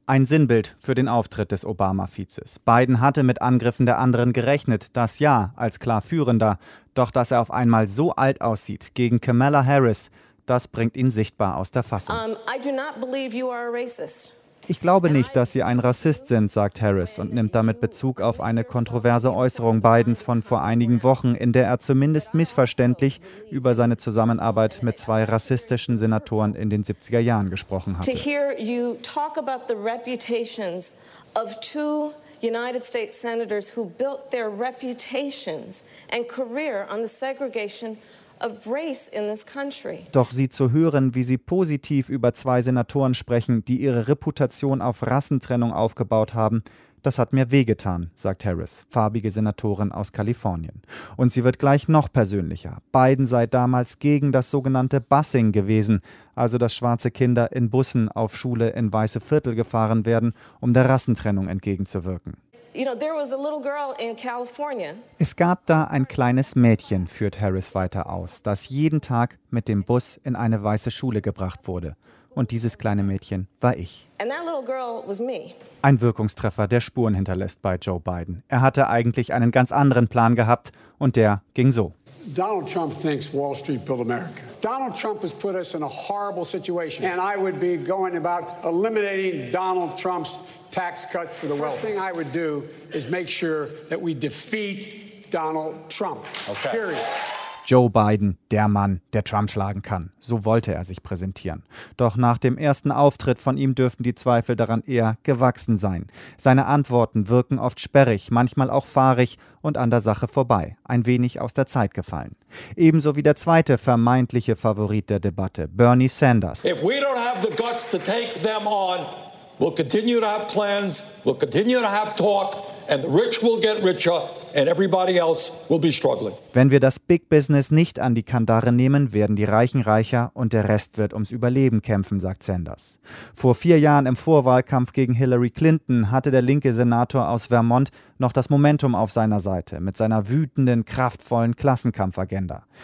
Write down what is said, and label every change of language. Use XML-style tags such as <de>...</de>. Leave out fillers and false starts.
<de>Ein Sinnbild für den Auftritt des Obama-Vizes. Biden hatte mit Angriffen der anderen gerechnet, das ja, als klar Führender. Doch dass er auf einmal so alt aussieht gegen Kamala Harris, das bringt ihn sichtbar aus der Fassung.</de> <en>I do not believe you are a racist.</en> <de>Ich glaube nicht, dass Sie ein Rassist sind, sagt Harris und nimmt damit Bezug auf eine kontroverse Äußerung Bidens von vor einigen Wochen, in der er zumindest missverständlich über seine Zusammenarbeit mit zwei rassistischen Senatoren in den 70er Jahren gesprochen hatte.</de> <en>To hear you talk about the reputations of two United States senators who built their reputations and career on the segregation of race in this country.</en> <de>Doch sie zu hören, wie sie positiv über zwei Senatoren sprechen, die ihre Reputation auf Rassentrennung aufgebaut haben, das hat mir wehgetan, sagt Harris, farbige Senatorin aus Kalifornien. Und sie wird gleich noch persönlicher. Biden sei damals gegen das sogenannte Busing gewesen, also dass schwarze Kinder in Bussen auf Schule in weiße Viertel gefahren werden, um der Rassentrennung entgegenzuwirken.</de> <en>You know, there was a little girl in California.</en> <de>Es gab da ein kleines Mädchen, führt Harris weiter aus, das jeden Tag mit dem Bus in eine weiße Schule gebracht wurde. Und dieses kleine Mädchen war ich.</de> <en>And that little girl was me.</en> <de>Ein Wirkungstreffer, der Spuren hinterlässt bei Joe Biden. Er hatte eigentlich einen ganz anderen Plan gehabt und der ging so.</de> <en>Donald Trump thinks Wall Street built America. Donald Trump has put us in a horrible situation. And I would be going about eliminating Donald Trump's tax cuts for the wealthy. First thing I would do is make sure that we defeat Donald Trump. Okay. Period.</en> <de>Joe Biden, der Mann, der Trump schlagen kann. So wollte er sich präsentieren. Doch nach dem ersten Auftritt von ihm dürften die Zweifel daran eher gewachsen sein. Seine Antworten wirken oft sperrig, manchmal auch fahrig und an der Sache vorbei, ein wenig aus der Zeit gefallen. Ebenso wie der zweite vermeintliche Favorit der Debatte, Bernie Sanders.</de> <en>If we don't have the guts to take them on, we'll continue to have plans, we'll continue to have talk. And the rich will get richer and everybody else will be struggling.</en> <de>Wenn wir das Big Business nicht an die Kandare nehmen, werden die Reichen reicher und der Rest wird ums Überleben kämpfen, sagt Sanders. Vor 4 Jahren im Vorwahlkampf gegen Hillary Clinton hatte der linke Senator aus Vermont noch das Momentum auf seiner Seite mit seiner wütenden, kraftvollen Klassenkampfagenda.</de>